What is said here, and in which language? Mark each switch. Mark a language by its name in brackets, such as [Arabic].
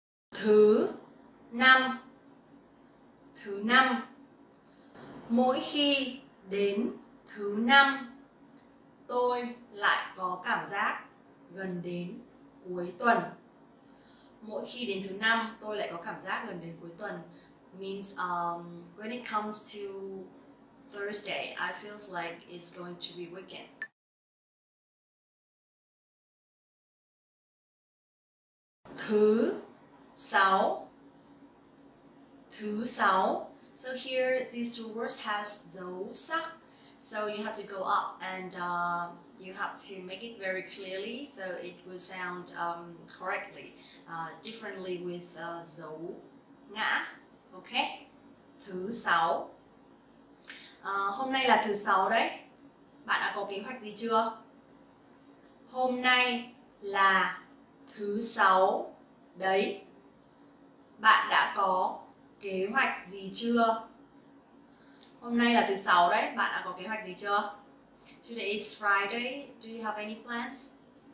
[Vietnamese] Thứ năm. Thứ năm. Mỗi khi đến thứ năm, tôi lại có cảm giác gần đến cuối tuần. Mỗi khi đến thứ năm, tôi lại có cảm giác gần đến cuối tuần. [English] means when it comes to Thursday, I feels like it's going to be weekend. [Vietnamese] Thứ sáu. [English] So here, these two words has dosa. So you have to go up and you have to make it very clearly so it will sound correctly, differently with dấu ngã. [Vietnamese] Okay? Thứ sáu. Hôm nay là thứ sáu đấy. Bạn đã có kế hoạch gì chưa? Hôm nay là thứ sáu đấy. Bạn đã có kế hoạch gì chưa? Hôm nay là thứ sáu đấy, bạn đã có kế hoạch gì chưa? [English] Today is Friday, do you have any plans?